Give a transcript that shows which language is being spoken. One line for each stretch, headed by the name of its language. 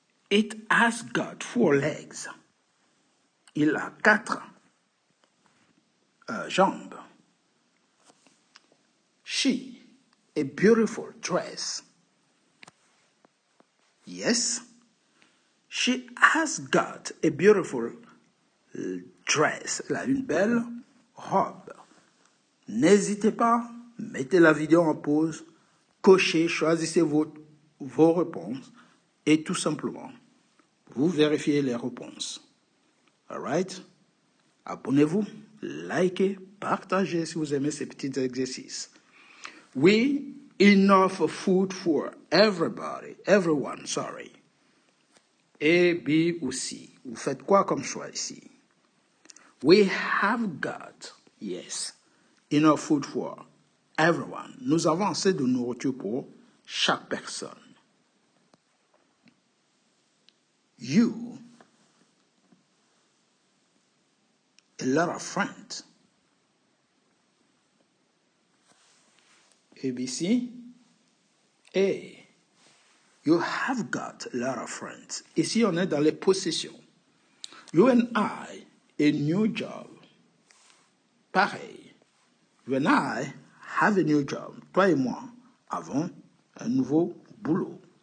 English: It has got four legs.
French: Il a quatre jambes.
English: She, a beautiful dress. Yes, she has got a beautiful dress.
French: Elle a une belle robe. N'hésitez pas, mettez la vidéo en pause, cochez, choisissez vos réponses et tout simplement, vous vérifiez les réponses.
English: All right?
French: Abonnez-vous, likez, partagez si vous aimez ces petits exercices.
English: Oui, enough food for everyone.
French: A, B ou C. Vous faites quoi comme choix ici?
English: We have got, yes, enough food for everyone.
French: Nous avons assez de nourriture pour chaque personne.
English: You, a lot of friends. ABC, A, you have got a lot of friends.
French: Ici, on est dans les possessions.
English: You and I, a new job. Pareil, you and I have a new job.
French: Toi et moi avons un nouveau boulot.